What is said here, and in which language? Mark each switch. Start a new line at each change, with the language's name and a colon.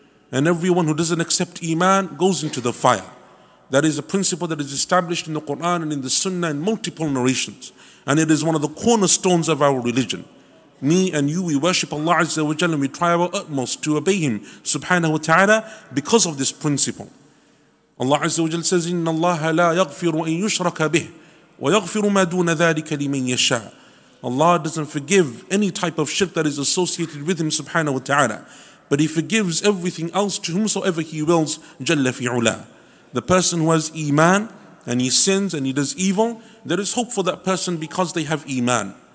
English: And everyone who doesn't accept Iman goes into the fire. That is a principle that is established in the Quran and in the Sunnah in multiple narrations. And it is one of the cornerstones of our religion. Me and you, we worship Allah Azza wa Jalla, and we try our utmost to obey Him, subhanahu wa ta'ala, because of this principle. Allah Azza wa Jalla says,
Arabic: إِنَّ اللَّهَ لَا يَغْفِرُ أَن يُشْرَكَ بِهِ وَيَغْفِرُ مَا دُونَ ذَٰلِكَ لِمَن يَشَاءُ.
English: Allah doesn't forgive any type of shirk that is associated with Him, subhanahu wa ta'ala. But He forgives everything else to whomsoever He wills,
Arabic: جَلَّ فِي عُلَى.
English: The person who has Iman, and he sins and he does evil, there is hope for that person because they have Iman.